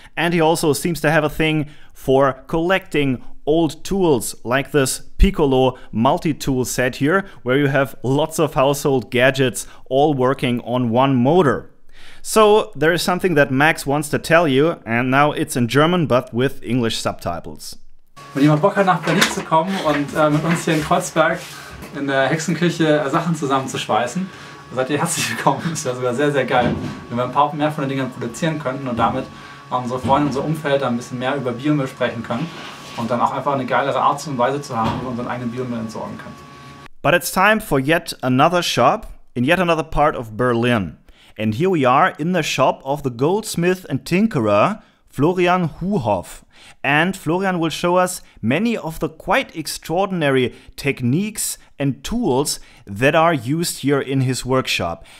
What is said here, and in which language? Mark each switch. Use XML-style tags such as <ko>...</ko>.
<en>And he also seems to have a thing for collecting old tools, like this Piccolo multi-tool set here, where you have lots of household gadgets all working on one motor. So there is something that Max wants to tell you, and now it's in German, but with English subtitles.</en> <de>Wenn jemand Bock hat, nach Berlin zu kommen und mit uns hier in Kreuzberg in der Hexenküche Sachen zusammen zu schweißen, seid ihr herzlich willkommen. Es wäre sogar sehr, sehr geil, wenn wir ein paar mehr von den Dingern produzieren könnten und damit unsere Freunde, unser Umfeld ein bisschen mehr über Biomüll sprechen können und dann auch einfach eine geilere Art und Weise zu haben, wie wir unseren eigenen Biomüll entsorgen können.</de> <en>But it's time for yet another shop in yet another part of Berlin. And here we are in the shop of the goldsmith and tinkerer Florian Huhoff. And Florian will show us many of the quite extraordinary techniques and tools that are used here in his workshop.</en>